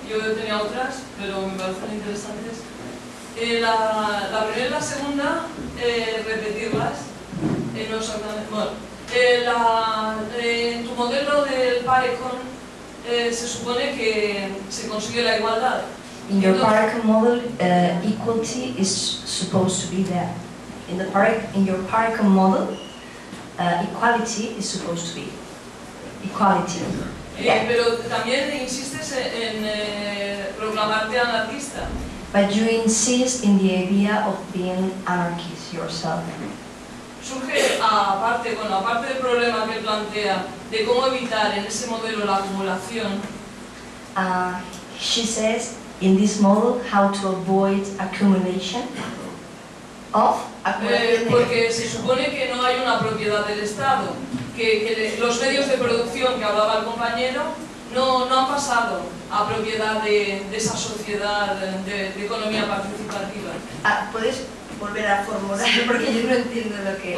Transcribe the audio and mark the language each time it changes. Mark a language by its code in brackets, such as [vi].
[es] Yo tenía otras, pero me parecen interesantes. La primera y la segunda, repetirlas. No exactamente. Bueno, en tu modelo del parecon se supone que se consigue la igualdad. [en] In your parecon model, equality is supposed to be there. In your parecon model. Equality is supposed to be equality. [es] Yeah. Pero también insistes en proclamarte anarquista. [en] But you insist in the idea of being anarchist yourself. [es] Surge aparte, bueno, aparte del problema que plantea de cómo evitar en ese modelo la acumulación. [en] She says in this model how to avoid accumulation. [es] Porque se supone que no hay una propiedad del Estado, que los medios de producción que hablaba el compañero no han pasado a propiedad de esa sociedad de economía participativa. ¿Puedes volver a formular? Porque yo no entiendo lo que...